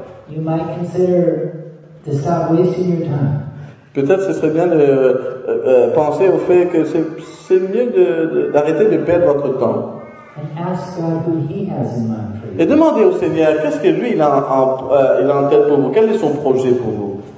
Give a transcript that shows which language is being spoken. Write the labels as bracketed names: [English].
[English] you might consider to stop wasting your time. [French] Peut-être ce serait bien de penser au fait que c'est mieux d'arrêter de perdre votre temps. [English] And ask God who he has in mind. [French] Et demandez au Seigneur, qu'est-ce que lui il a en tête pour vous? Quel est son projet pour vous?